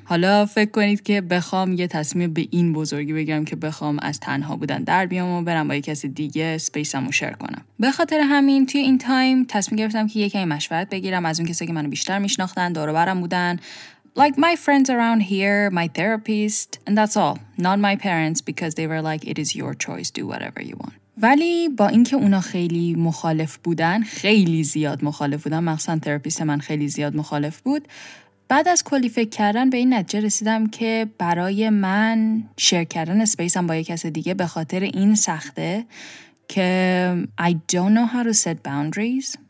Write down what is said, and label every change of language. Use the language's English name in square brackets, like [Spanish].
[Persian] حالا فکر کنید که بخوام یه تصمیم به این بزرگی بگیرم که بخوام از تنها بودن در بیام و برم با یه کسی دیگه اسپیسمو شیر کنم. به خاطر همین توی این تایم تصمیم گرفتم که یکی مشورت بگیرم از اون کسایی که منو بیشتر میشناختن، دور و برم بودن، [English] like my friends around here, my therapist, and that's all. Not my parents, because they were like, it is your choice, do whatever you want. [Persian] ولی با اینکه اونا خیلی مخالف بودن، خیلی زیاد مخالف بودن، مخصوصا تراپیست من خیلی زیاد مخالف بود، بعد از کلی فکر کردن به این نتیجه رسیدم که برای من شیر کردن اسپیسم با یک کس دیگه به خاطر این سخته که [English] I don't know how to set boundaries.